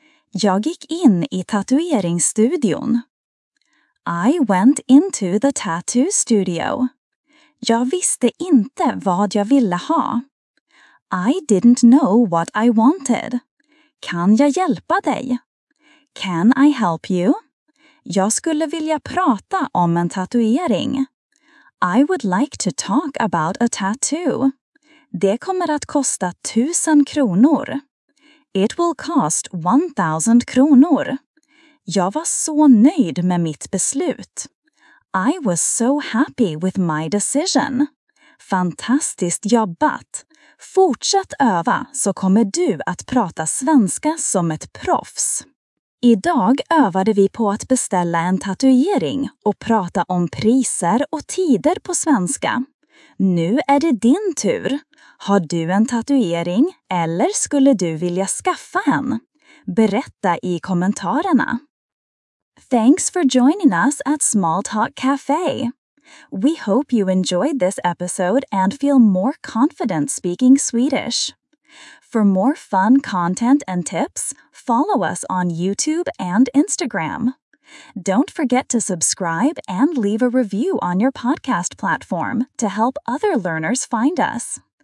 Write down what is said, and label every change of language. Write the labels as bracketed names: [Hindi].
[Swedish] Jag gick in i tatueringsstudion. [English] I went into the tattoo studio. [Swedish] Jag visste inte vad jag ville ha. [English] I didn't know what I wanted. [Swedish] Kan jag hjälpa dig? [English] Can I help you? [Swedish] Jag skulle vilja prata om en tatuering. [English] I would like to talk about a tattoo. [Swedish] Det kommer att kosta 1000 kronor. [English] It will cost 1000 kronor. [Swedish] Jag var så nöjd med mitt beslut. [English] I was so happy with my decision. [Swedish] Fantastiskt jobbat. Fortsätt öva så kommer du att prata svenska som ett proffs. Idag övade vi på att beställa en tatuering och prata om priser och tider på svenska. Nu är det din tur. Har du en tatuering eller skulle du vilja skaffa en? Berätta i kommentarerna. [English] Thanks for joining us at Small Talk Cafe. We hope you enjoyed this episode and feel more confident speaking Swedish. For more fun content and tips, follow us on YouTube and Instagram. Don't forget to subscribe and leave a review on your podcast platform to help other learners find us.